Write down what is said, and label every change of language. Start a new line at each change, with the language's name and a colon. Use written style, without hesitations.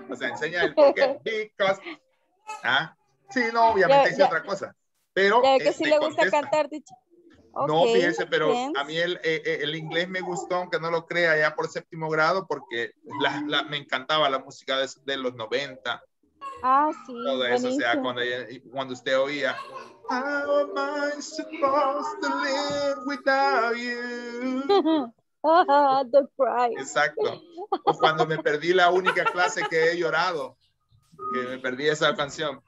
Spanish: O sea, enseña el por qué. Because. ¿Ah? Sí, no, obviamente dice otra cosa. Pero. Ya que sí le gusta contesta. Cantar, dicho. No, okay, fíjense, pero bien. A mí el inglés me gustó, aunque no lo crea, ya por séptimo grado, porque me encantaba la música de los 90. Ah, sí. Todo eso, o sea, cuando usted oía.
English: How am I supposed to live without you? Don't cry.
Spanish: Exacto. O cuando me perdí la única clase que he llorado, que me perdí esa canción.